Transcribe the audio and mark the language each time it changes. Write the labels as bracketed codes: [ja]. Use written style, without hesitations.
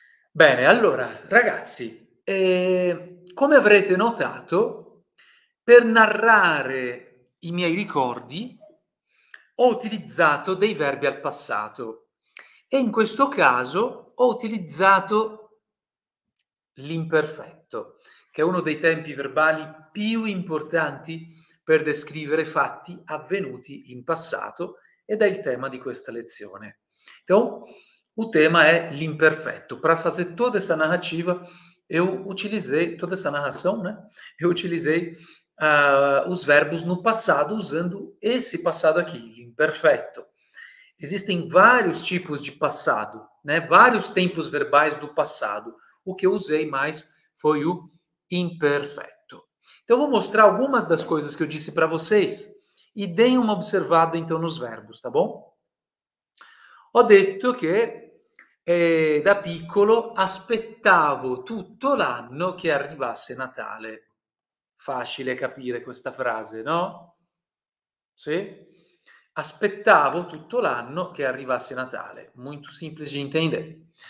[it] Bene, allora, ragazzi, come avrete notato, per narrare i miei ricordi, ho utilizzato dei verbi al passato e in questo caso ho utilizzato l'imperfetto, che è uno dei tempi verbali più importanti per descrivere fatti avvenuti in passato ed è il tema di questa lezione. [pt] Então, o tema [it] è l'imperfetto. [pt] Para fazer toda essa narrativa, eu utilizei toda essa narração, né? Eu utilizei os verbos no passado, usando esse passado aqui, imperfeito. Existem vários tipos de passado, né? Vários tempos verbais do passado. O que eu usei mais foi o imperfeito. Então, eu vou mostrar algumas das coisas que eu disse para vocês e deem uma observada, então, nos verbos, tá bom? [it] Ho detto che da piccolo aspettavo tutto l'anno che arrivasse Natale. Facile capire questa frase, no? Sì? Aspettavo tutto l'anno che arrivasse Natale. Molto semplice di intendere.